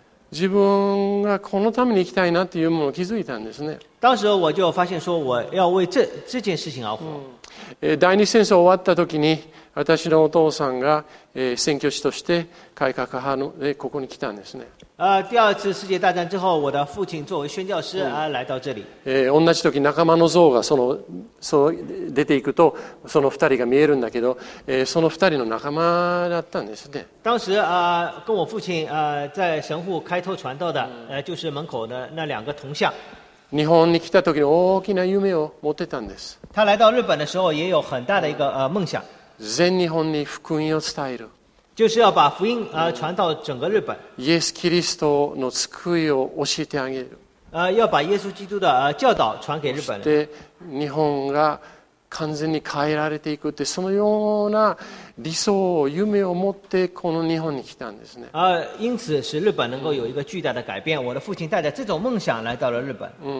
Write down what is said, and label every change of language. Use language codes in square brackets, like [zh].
[ja] 自分がこのために生きたいなっていうものを気づいたんですね。 [zh] 当时我就发现说我要为 这件事情而活。 [ja] 第二次戦争終わった時に私のお父さんが、宣教師として改革派のここに来たんですね。 [zh] 第二次世界大戦之后我的父亲作为宣教师来到这里。 [ja] 同じ時仲間の像がその出ていくとその二人が見えるんだけど、その二人の仲間だったんですね。 [zh] 当时跟我父亲在神户开拓传道的就是门口的那两个铜像。 [ja] 日本に来た時に大きな夢を持ってたんです。 [zh] 他来到日本的时候也有很大的一个梦想。 [ja] 全日本に福音を伝える。 [zh] 就是要把福音传到整个日本。 [ja] イエス・キリストの救いを教えてあげる。 [zh] 要把耶稣基督的教导传给日本人。 [ja] で、日本が完全に変えられていくってそのような理想を夢を持ってこの日本に来たんですね。 [zh] 因此使日本能够有一个巨大的改变。我的父亲带着这种梦想来到了日本。